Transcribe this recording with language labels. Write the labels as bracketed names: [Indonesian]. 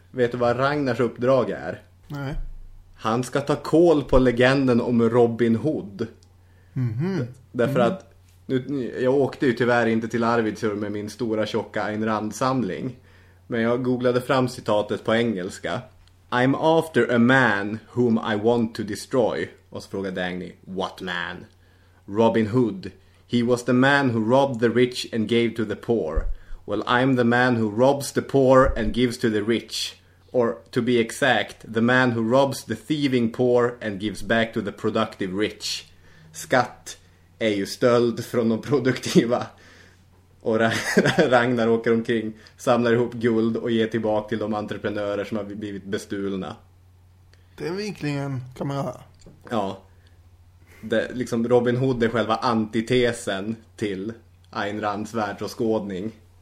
[Swedish] Vet du vad Ragnars uppdrag är? Nej. Han ska ta koll på legenden om Robin Hood. Mm-hmm. Därför att nu, jag åkte ju tyvärr inte till Arvidsjaur med min stora tjocka Ayn Rand-samling. Men jag googlade fram citatet på engelska. [English] I'm after a man whom I want to destroy. [Swedish] Och så frågade Dagny, [English] what man? Robin Hood. He was the man who robbed the rich and gave to the poor. Well, I'm the man who robs the poor and gives to the rich. Or, to be exact, the man who robs the thieving poor and gives back to the productive rich. [Swedish] Skatt är ju stöld från de produktiva. Och Ragnar åker omkring, samlar ihop guld och ger tillbaka till de entreprenörer som har blivit bestulna. Den vinklingen kan man göra. Ja. Det, liksom Robin Hood är själva antitesen till Ayn Rands världsåskådning.